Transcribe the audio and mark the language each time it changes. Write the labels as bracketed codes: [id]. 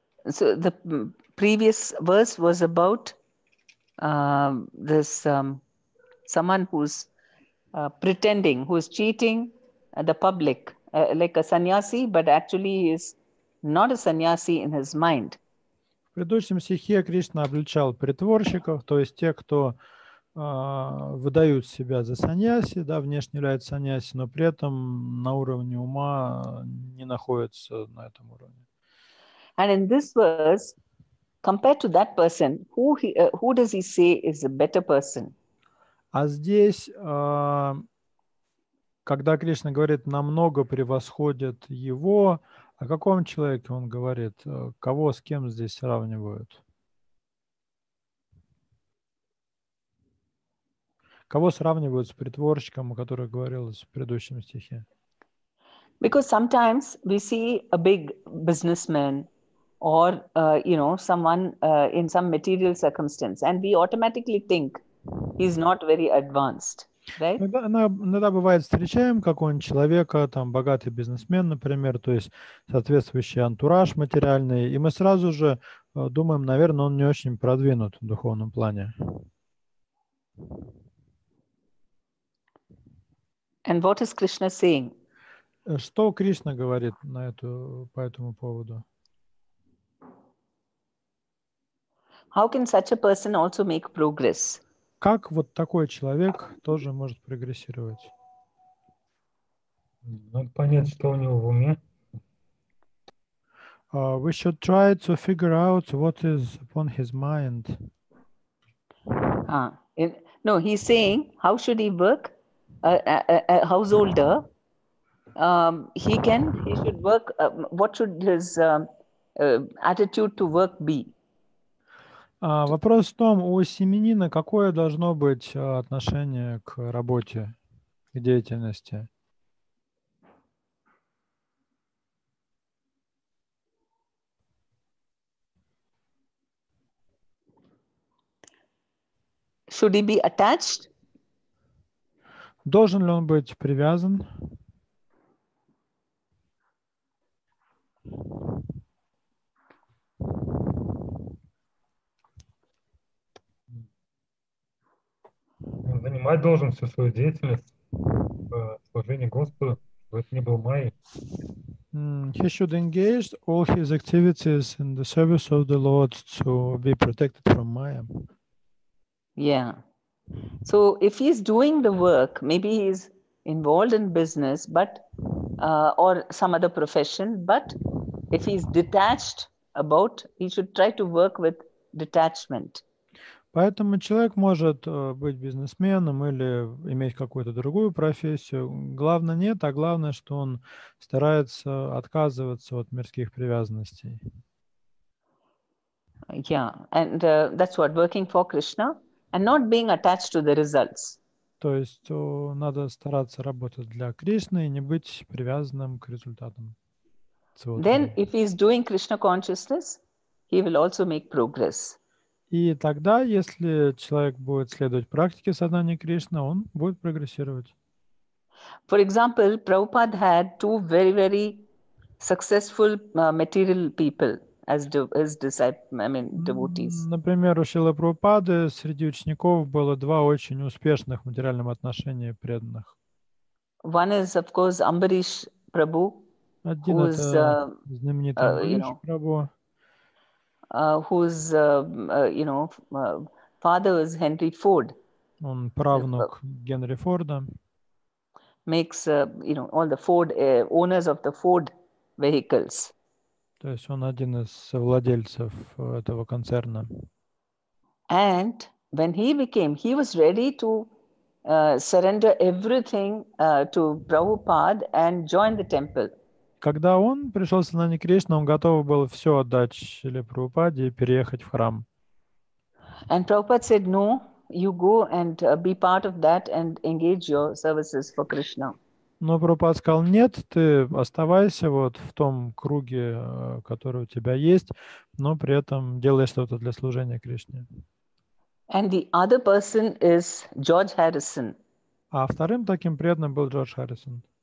[en] So the previous verse was about someone who's pretending, who is cheating the public, like a sannyasi, but actually he is not a sannyasi in his mind. [ru] В предыдущем стихе Кришна обличал притворщиков, то есть тех, кто выдают себя за сannyasi, да, внешне являются сannyasi, но при этом на уровне ума не находятся на этом уровне. [en] And in this verse, compared to that person, who does he say is a better person? [ru] А здесь, когда Кришна говорит, намного превосходит его, о каком человеке он говорит? Кого с кем здесь сравнивают? Кого сравнивают с притворщиком, о котором говорилось в предыдущем стихе? [en] Because sometimes we see a big businessman or, you know, someone in some material circumstance and we automatically think he's not very advanced. Right? [ru] Иногда бывает, встречаем какого-нибудь человека, там, богатый бизнесмен, например, то есть соответствующий антураж материальный, и мы сразу же думаем, наверное, он не очень продвинут в духовном плане. [en] And what is Krishna saying? [ru] Что Кришна говорит на эту, по этому поводу? [en] How can such a person also make progress? [ru] Как вот такой человек тоже может прогрессировать? Надо понять, что у него в уме. [en] We should try to figure out what is upon his mind. No, he's saying, how should he work? Householder, he should work. What should his attitude to work be? [ru] Вопрос в том, у семьянина какое должно быть отношение к работе, к деятельности? [en] Should he be attached? [ru] Должен ли он быть привязан? Занимать должен всю свою деятельность в служении Господу, чтобы это не было майей. [en] He should engage all his activities in the service of the Lord to be protected from Maya. Yeah. So if he's doing the work, maybe he's involved in business, but or some other profession, but if he's detached about, he should try to work with detachment. [ru] Поэтому человек может быть бизнесменом или иметь какую-то другую профессию. Главное нет, а главное, что он старается отказываться от мирских привязанностей. [en] Yeah, and that's what working for Krishna. And not being attached to the results. [ru] То есть надо стараться работать для Кришны и не быть привязанным к результатам. [en] Then, if he is doing Krishna consciousness, he will also make progress. [ru] И тогда, если человек будет следовать практике сознания Кришны, он будет прогрессировать. [en] For example, Prabhupada had two very, very successful material people. As devotees. [ru] Например, у Шрилы Прабхупады среди учеников было два очень успешных в материальном отношении преданных. [en] One is, of course, Amberish Prabhu. [ru] Один это знаменитый Амбариш Прабху. [en] Whose father was Henry Ford. [ru] Он правнук Генри Форда. [en] Makes all the Ford owners of the Ford vehicles. [ru] То есть он один из владельцев этого концерна. [en] And when he became, he was ready to surrender everything to Prabhupada and join the temple. [ru] Когда он пришел в сознание Кришны, он готов был все отдать Шриле Прабхупаде и переехать в храм. [en] And Prabhupada said, no, you go and be part of that and engage your services for Krishna. [ru] Но Прабхупада сказал, нет, ты оставайся вот в том круге, который у тебя есть, но при этом делай что-то для служения Кришне. [en] And the other person is George Harrison. [ru] А вторым таким преданным был Джордж Харрисон.